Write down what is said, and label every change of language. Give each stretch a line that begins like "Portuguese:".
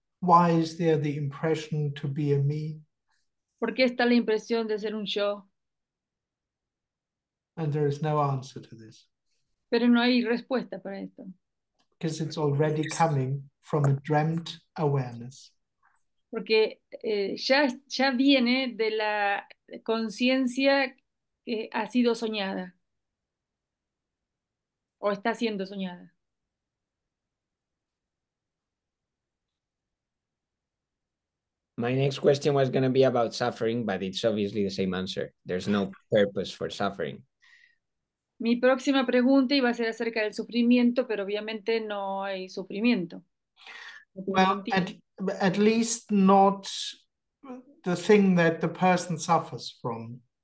English: Why is there the impression to be a me?
Spanish: ¿Por qué está la impresión de ser un yo?
English: And there is no answer to this.
Spanish: Pero no hay respuesta para esto.
English: Because it's already coming from a dreamt awareness.
Spanish: porque ya viene de la conciencia que ha sido soñada o está siendo soñada.
English: My next question was going to be about suffering, but it's obviously the same answer. There's no purpose for suffering.
Spanish: Mi próxima pregunta iba a ser acerca del sufrimiento, pero obviamente no hay sufrimiento.
English: Well, at least not the thing that the person suffers from.